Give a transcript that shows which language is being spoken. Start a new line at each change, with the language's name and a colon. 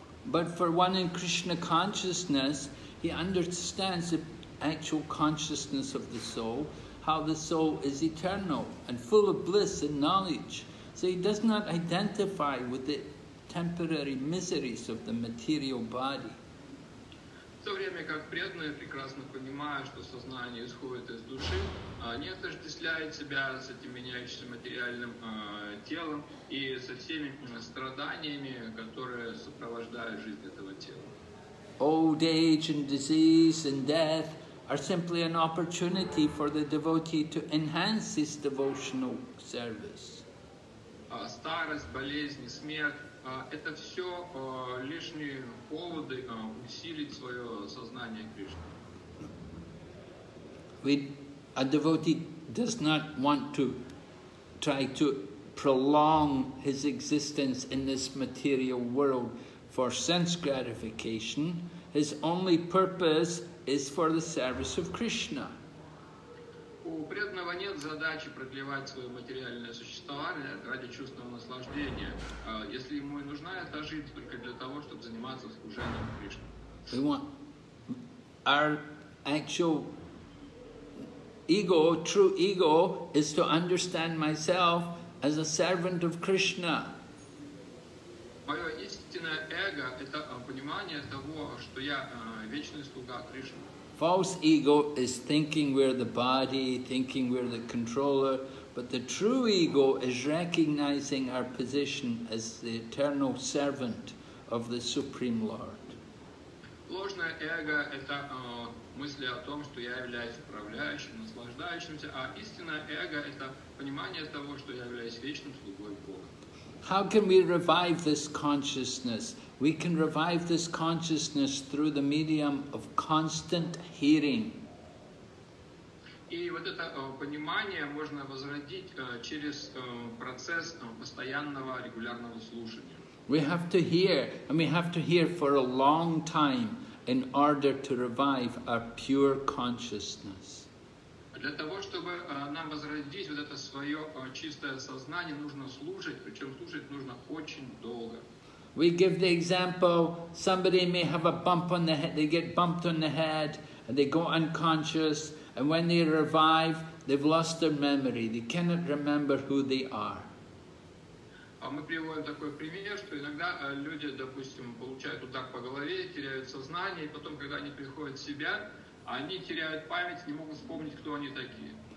English: But for one in Krishna consciousness, he understands the actual consciousness of the soul, how the soul is eternal and full of bliss and knowledge. So he does not identify with the temporary miseries of the material body.
Russian: В то время как преданные прекрасно понимают, что сознание исходит из души, не отождествляет себя с этим меняющимся материальным телом и со всеми страданиями, которые сопровождают жизнь этого тела.
English: Old age and disease and death are simply an opportunity for the devotee to enhance his devotional service.
Russian: Старость, болезни, смерть. Это все лишние поводы усилить свое сознание Кришны.
English: A devotee does not want to try to prolong his existence in this material world for sense gratification. His only purpose is for the service of Krishna.
Russian: У преданного нет задачи продлевать свое материальное существование ради чувственного наслаждения, если ему и нужна эта жизнь только для того, чтобы заниматься служением Кришне.
English: We want our actual ego, true ego, is to understand myself as a servant of Krishna.
Russian: Мое истинное эго – это понимание того, что я вечный слуга Кришны.
English: False ego is thinking we're the body, thinking we're the controller, but the true ego is recognizing our position as the eternal servant of the Supreme Lord.
Russian: Ложное эго – это мысли о том, что я являюсь управляющим, наслаждающимся, а истинное эго – это понимание того, что я являюсь вечным слугой Бога.
English: How can we revive this consciousness? We can revive this consciousness through the medium of constant hearing.
Russian: И вот это понимание можно возродить через процесс постоянного регулярного слушания.
English: We have to hear, and we have to hear for a long time in order to revive our pure consciousness.
Russian: Для того, чтобы нам возродить вот это свое чистое сознание, нужно слушать, причем слушать нужно очень долго.
English: We give the example, somebody may have a bump on the head, they get bumped on the head, and they go unconscious, and when they revive, they've lost their memory, they cannot remember who they are.
Russian: Мы приводим такой пример, что иногда люди, допустим, получают удар по голове, теряют сознание, и потом, когда они приходят в себя, они теряют память, не могут вспомнить, кто они такие.